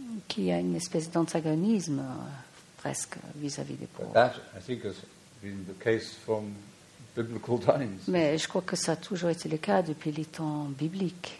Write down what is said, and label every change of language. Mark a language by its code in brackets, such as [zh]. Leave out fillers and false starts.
[fr] Qui a une espèce d'antagonisme presque vis-à-vis des pauvres. [en] That I think has been the case from biblical times. [fr] Mais je crois que ça a toujours été le cas depuis les temps bibliques.